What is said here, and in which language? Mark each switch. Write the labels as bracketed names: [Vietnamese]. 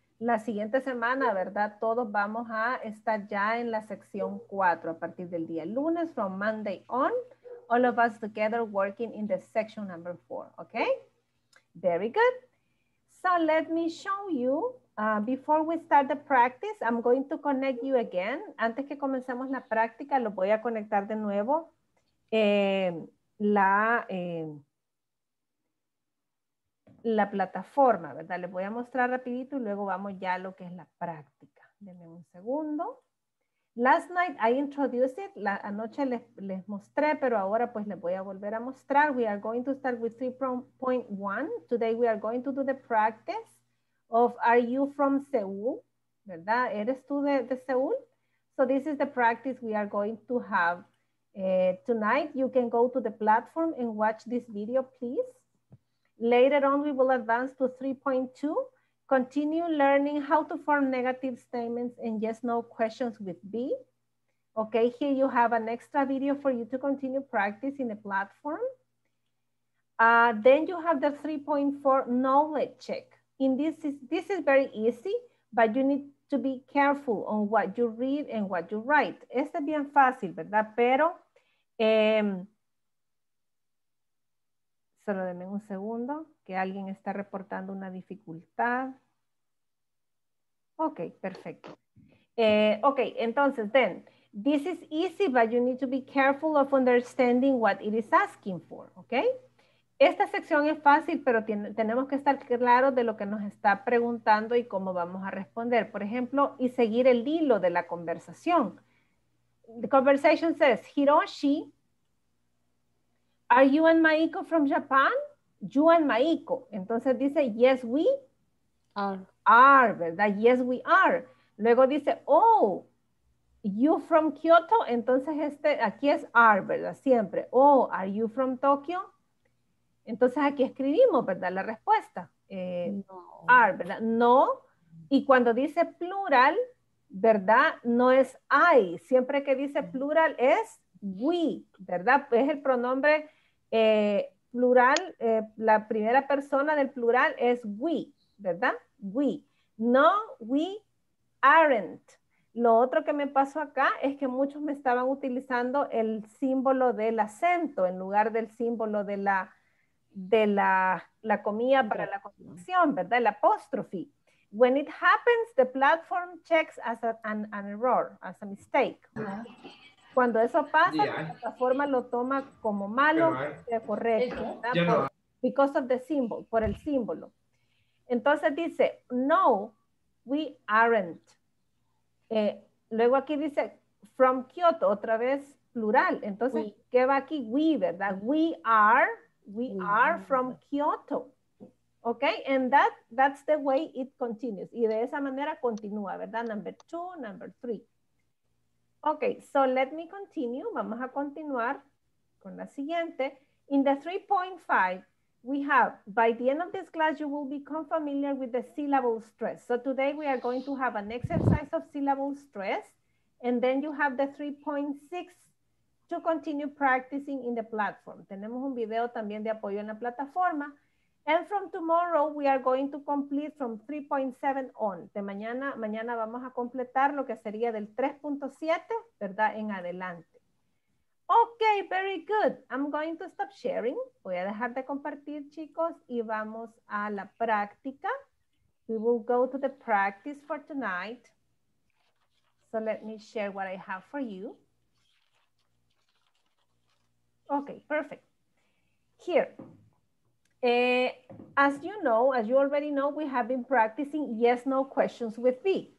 [Spanish] La siguiente semana, ¿verdad? Todos vamos a estar ya en la sección 4 a partir del día lunes, [English] from Monday on, all of us together working in the section number 4, okay? Very good. So let me show you, before we start the practice, I'm going to connect you again. [Spanish] Antes que comencemos la práctica, lo voy a conectar de nuevo la plataforma, ¿verdad? Les voy a mostrar rapidito y luego vamos ya a lo que es la práctica. Denme un segundo. [English] Last night I introduced it. [Spanish] Anoche les mostré, pero ahora pues les voy a volver a mostrar. [English] We are going to start with 3.1. Today we are going to do the practice of Are you from Seoul? ¿Verdad? [Spanish] ¿Eres tú de Seoul? [English] So this is the practice we are going to have tonight. You can go to the platform and watch this video, please. Later on, we will advance to 3.2. Continue learning how to form negative statements and yes, no questions with B. Okay, here you have an extra video for you to continue practice in the platform. Then you have the 3.4 knowledge check. In this is very easy, but you need to be careful on what you read and what you write. [Spanish] Este es bien fácil, ¿verdad? Pero, solo denme un segundo, que alguien está reportando una dificultad. Ok, perfecto. [English] Ok, entonces, then, this is easy, but you need to be careful of understanding what it is asking for, ok? [Spanish] Esta sección es fácil, pero tenemos que estar claros de lo que nos está preguntando y cómo vamos a responder. Por ejemplo, y seguir el hilo de la conversación. [English] The conversation says, Hiroshi, are you and Maiko from Japan? You and Maiko. [Spanish] Entonces dice, [English] yes, we are, ¿verdad? Yes, we are. [Spanish] Luego dice, [English] oh, you from Kyoto. [Spanish] Entonces este, aquí es are, ¿verdad? Siempre. [English] Oh, are you from Tokyo? [Spanish] Entonces aquí escribimos, ¿verdad? La respuesta. No. Are, ¿verdad? No. Y cuando dice plural, ¿verdad? No es I. Siempre que dice plural es we, ¿verdad? Es el pronombre plural, la primera persona del plural es we, ¿verdad? We. [English] No, we aren't. [Spanish] Lo otro que me pasó acá es que muchos me estaban utilizando el símbolo del acento en lugar del símbolo de la comilla para la construcción, ¿verdad? El apóstrofe. [English] When it happens, the platform checks as an error, as a mistake. [Spanish] Cuando eso pasa, la plataforma lo toma como malo, correcto, [English] because of the symbol, [Spanish] por el símbolo. Entonces dice, [English] no, we aren't. [Spanish] Luego aquí dice, from Kyoto, otra vez plural. Entonces, we. ¿Qué va aquí? We, ¿verdad? [English] We are from Kyoto. Ok, and that's the way it continues. [Spanish] Y de esa manera continúa, [English] ¿verdad? Number two, number three. Ok, so let me continue. [Spanish] Vamos a continuar con la siguiente. [English] In the 3.5, we have, by the end of this class, you will become familiar with the syllable stress. So today we are going to have an exercise of syllable stress. And then you have the 3.6 to continue practicing in the platform. [Spanish] Tenemos un video también de apoyo en la plataforma. [English] And from tomorrow, we are going to complete from 3.7 on. [Spanish] De mañana, mañana vamos a completar lo que sería del 3.7, ¿verdad? En adelante. [English] Okay, very good. I'm going to stop sharing. [Spanish] Voy a dejar de compartir, chicos, y vamos a la práctica. [English] We will go to the practice for tonight. So let me share what I have for you. Okay, perfect. Here. As you know, as you already know, we have been practicing yes, no questions with B.